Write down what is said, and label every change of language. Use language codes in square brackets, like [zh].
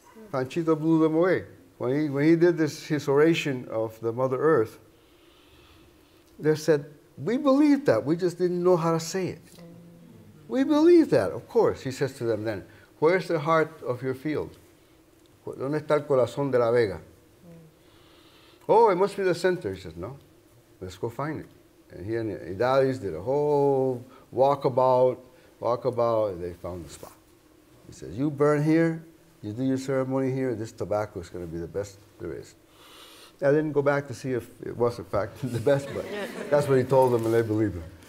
[en] Panchito blew them away. When he did this, his oration of the Mother Earth, they said, we believe that, we just didn't know how to say it. We believe that, of course, he says to them then, where's the heart of your field? [es] ¿Dónde está el corazón de la vega? [en] Oh, it must be the center. He says, no, let's go find it. And he and Idalis did a whole walkabout, and they found the spot. He says, you burn here, you do your ceremony here, this tobacco is going to be the best there is. I didn't go back to see if it was, in fact, the best, but that's what he told them, and they believed him.